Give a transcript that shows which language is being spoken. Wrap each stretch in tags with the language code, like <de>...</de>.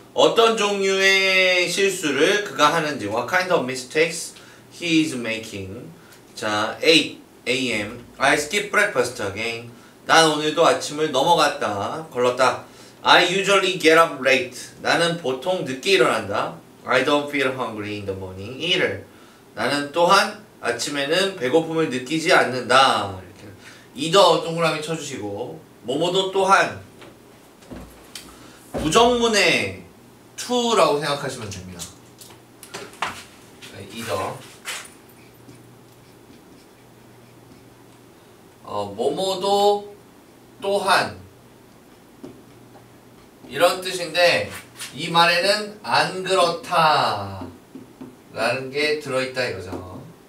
<ko>어떤 종류의 실수를 그가 하는지.</ko> <en>What kind of mistakes he is making? 자, 8 a.m. I skip breakfast again.</en> <ko>난 오늘도 아침을 넘어갔다. 걸렀다.</ko> <en>I usually get up late.</en> <ko>나는 보통 늦게 일어난다.</ko> <en>I don't feel hungry in the morning either.</en> <ko>나는 또한 아침에는 배고픔을 느끼지 않는다. 이렇게 either 동그라미 쳐주시고 뭐뭐도 또한 부정문의 to라고 생각하시면 됩니다. either 뭐뭐도 또한 이런 뜻인데 이 말에는 안 그렇다 라는 게 들어있다 이거죠.</ko>